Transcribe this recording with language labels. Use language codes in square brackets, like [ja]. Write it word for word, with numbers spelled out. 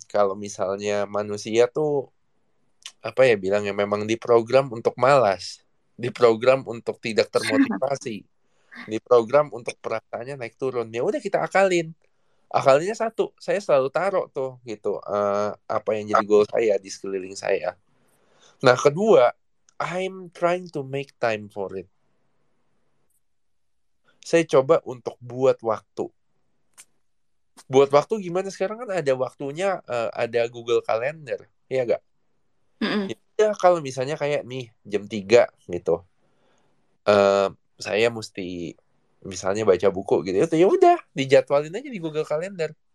[id] Kalau misalnya manusia tuh apa ya bilangnya memang diprogram untuk malas, diprogram untuk tidak termotivasi, diprogram untuk perasaannya naik turun. Ya udah kita akalin. Akalnya satu, saya selalu taruh tuh gitu uh, apa yang jadi goal saya di sekeliling saya. Nah kedua, [en] I'm trying to make time for it. [id] Saya coba untuk buat waktu. Buat waktu gimana sekarang kan ada waktunya, uh, ada Google Calendar, ya gak? Mm-hmm. Ya kalau misalnya kayak nih jam tiga gitu, uh, saya mesti misalnya baca buku gitu, ya udah dijadwalin aja di Google Calendar.